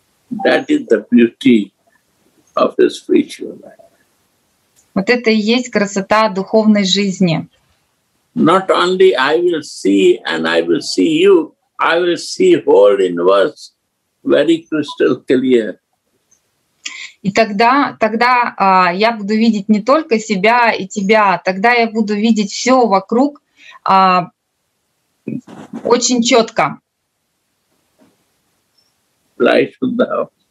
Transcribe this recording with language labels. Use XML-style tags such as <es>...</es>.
<en>That is the beauty of the spiritual life.</en> <ru>Вот это и есть красота духовной жизни.</ru> <en>Not only I will see and I will see you, I will see whole universe very crystal clear.</en> <ru>И тогда я буду видеть не только себя и тебя, тогда я буду видеть все вокруг очень четко.</ru> <en>Life will now.</en>